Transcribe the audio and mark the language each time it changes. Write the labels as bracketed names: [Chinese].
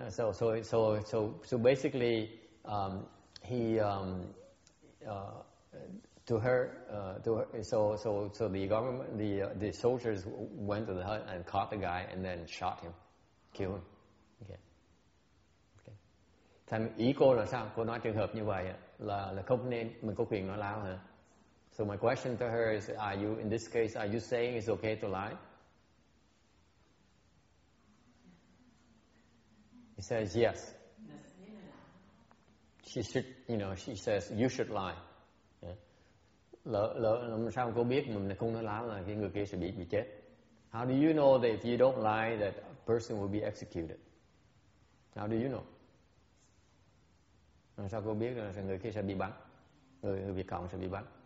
[English] So basically, so the government, the soldiers went to the hut and caught the guy and then shot him, killed him. [Vietnamese] Thành ý cô là sao? Cô nói trường hợp như vậy là không nên, mình có quyền nói láo hả? [English] So my question to her is, are you, in this case, are you saying it's okay to lie? He says yes. She should, you know, she says you should lie. [Vietnamese] Lỡ sao cô biết mình không nói láo là cái người kia sẽ bị chết? [English] How do you know that if you don't lie that a person will be executed? How do you know? [Vietnamese] Sao cô biết là người kia sẽ bị bắn, người Việt Cộng sẽ bị bắn?